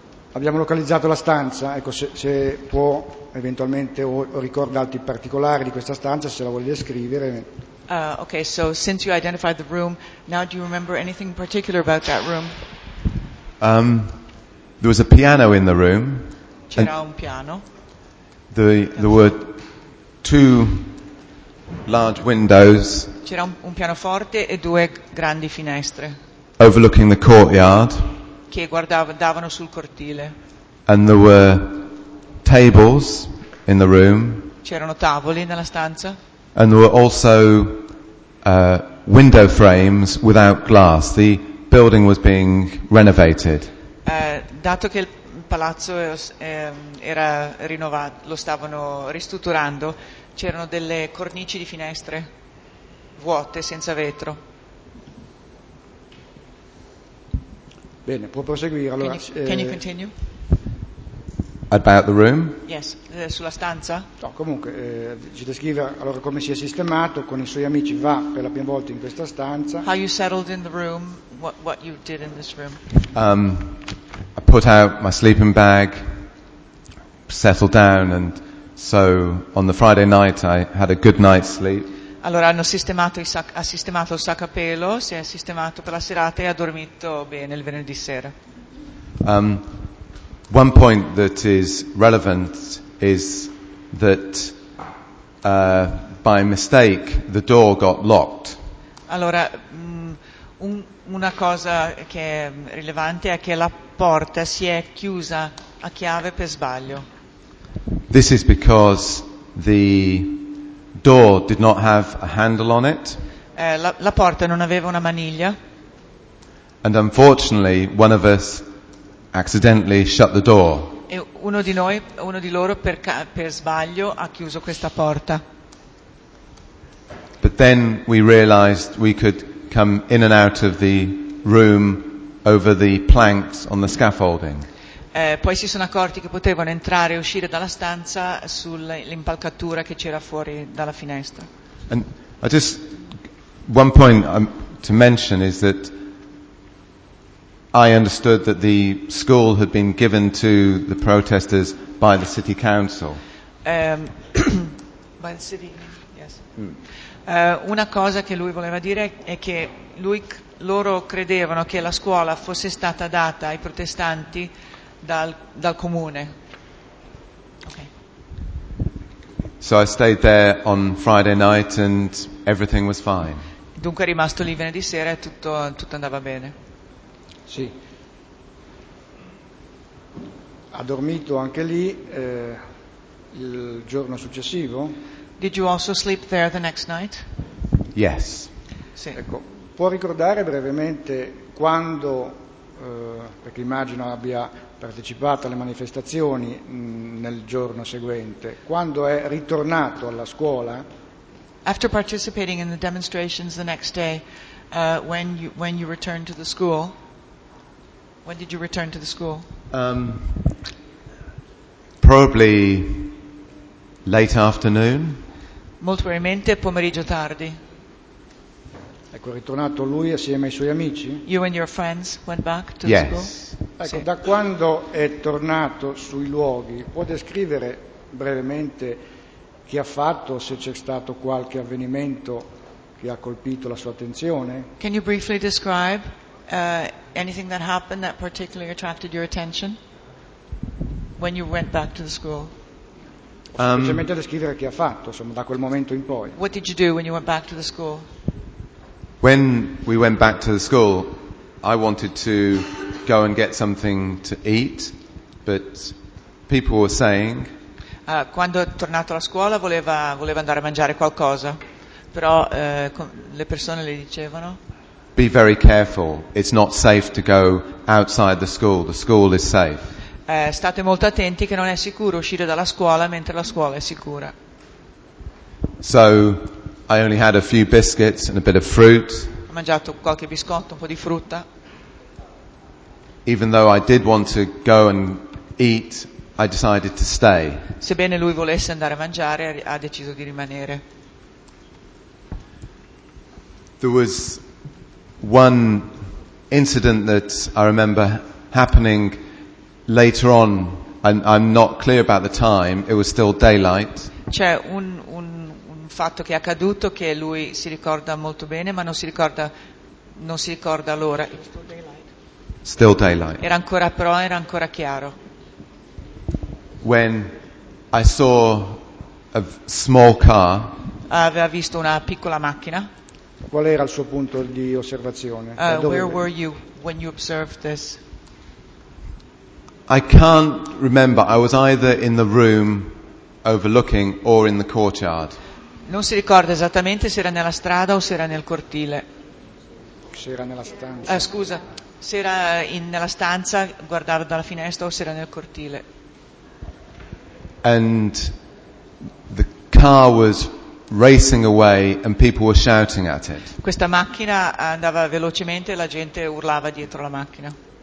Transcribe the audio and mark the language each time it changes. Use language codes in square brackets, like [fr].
[it] Abbiamo localizzato la stanza, ecco, se può eventualmente o ricordarti i particolari di questa stanza, se la vuole descrivere. [en] Okay, so since you identified the room, now do you remember anything particular about that room? There was a piano in the room. [it] C'era un piano. [en] There were two large windows. [it] C'era un pianoforte e due grandi finestre. [en] Overlooking the courtyard. [it] Che davano sul cortile. [en] And there were tables in the room. [it] C'erano tavoli nella stanza. [en] And there were also window frames without glass. The building was being renovated. [it] Dato che il palazzo era rinnovato, lo stavano ristrutturando, c'erano delle cornici di finestre vuote, senza vetro. Bene, può proseguire allora. [en] Can you continue? About the room? [it] Yes, sulla stanza? No, comunque, ci descrive allora come si è sistemato, con i suoi amici va per la prima volta in questa stanza. [en] How you settled in the room, what you did in this room? I put out my sleeping bag, settled down, and so on the Friday night I had a good night's sleep. [it] Allora ha sistemato il sacco a pelo, si è sistemato per la serata e ha dormito bene il venerdì sera. [en] One point that is relevant is that by mistake the door got locked. [it] Allora, una cosa che è rilevante è che la porta si è chiusa a chiave per sbaglio. [en] This is because the door did not have a handle on it. [it] La porta non aveva una maniglia. [en] And unfortunately, one of us accidentally shut the door. [it] E uno di noi, uno di loro, per sbaglio ha chiuso questa porta. [en] But then we realized we could come in and out of the room over the planks on the scaffolding. [it] Poi si sono accorti che potevano entrare e uscire dalla stanza sull'impalcatura che c'era fuori dalla finestra. [en] And I just one point to mention is that I understood that the school had been given to the protesters by the city council. by the city, yes. [it] Una cosa che lui voleva dire è che loro credevano che la scuola fosse stata data ai protestanti dal comune. [en] So I stayed there on Friday night and everything was fine. [it] Dunque è rimasto lì venerdì sera e tutto andava bene. Sì. Ha dormito anche lì il giorno successivo? [en] Did you also sleep there the next night? Yes. [it] Sì. Ecco, può ricordare brevemente quando perché immagino abbia partecipato alle manifestazioni nel giorno seguente. Quando è ritornato alla scuola? [en] After participating in the demonstrations the next day, when you returned to the school? When did you return to the school? Probably late afternoon. [it] Molto probabilmente pomeriggio tardi. Ecco, è ritornato lui assieme ai suoi amici? [en] You and your friends went back to yes. the school? [it] Ecco, sì. Da quando è tornato sui luoghi, può descrivere brevemente che ha fatto, se c'è stato qualche avvenimento che ha colpito la sua attenzione? [en] Can you briefly describe anything that happened that particularly attracted your attention when you went back to the school? [it] Semplicemente descrivere che ha fatto, insomma, da quel momento in poi. [en] What did you do when you went back to the school? When we went back to the school, I wanted to go and get something to eat, but people were saying. [it] Quando è tornato alla scuola voleva andare a mangiare qualcosa, però le persone le dicevano. [en] Be very careful. It's not safe to go outside the school. The school is safe. [it] State molto attenti che non è sicuro uscire dalla scuola mentre la scuola è sicura. [en] So I only had a few biscuits and a bit of fruit. [it] Ho mangiato qualche biscotto, un po' di frutta. [en] Even though I did want to go and eat, I decided to stay. [it] Sebbene lui volesse andare a mangiare, ha deciso di rimanere. [en] There was one incident that I remember happening later on, and I'm not clear about the time, it was still daylight. [it] C'è un fatto che è accaduto che lui si ricorda molto bene, ma non si ricorda l'ora. [en] Still daylight. [it] Era ancora chiaro. [en] When I saw a small car. [it] Aveva visto una piccola macchina. Qual era il suo punto di osservazione? [en] Where were you when you observed this? I can't remember. I was either in the room overlooking or in the courtyard. [it] Non si ricorda esattamente se era nella strada o se era nel cortile. Se era nella stanza. Scusa, se era nella stanza, guardava dalla finestra o se era nel cortile. [en] And the car was racing away and people were shouting at it. [it] Questa macchina andava velocemente e la gente urlava dietro la macchina.